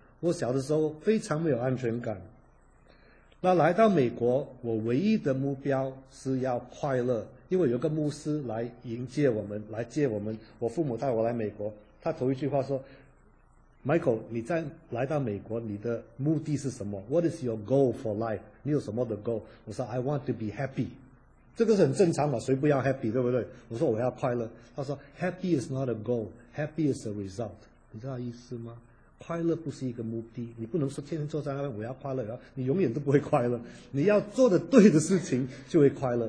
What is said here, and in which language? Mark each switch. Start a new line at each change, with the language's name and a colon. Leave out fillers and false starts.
Chinese: 我小的时候非常没有安全感。那来到美国，我唯一的目标是要快乐，因为有个牧师来迎接我们，来接我们。我父母带我来美国，他头一句话说 Michael， 你在来到美国你的目的是什么？
English: What is your goal for life？
Chinese: 你有什么的 goal？我说
English: I want to be happy。
Chinese: 这个是很正常嘛，谁不要 happy 对不对？我说我要快乐。他说
English: Happy is not a goal， Happy is a result。
Chinese: 你知道意思吗？快乐不是一个目的，你不能说天天坐在那边我要快乐，你永远都不会快乐，你要做的对的事情就会快乐。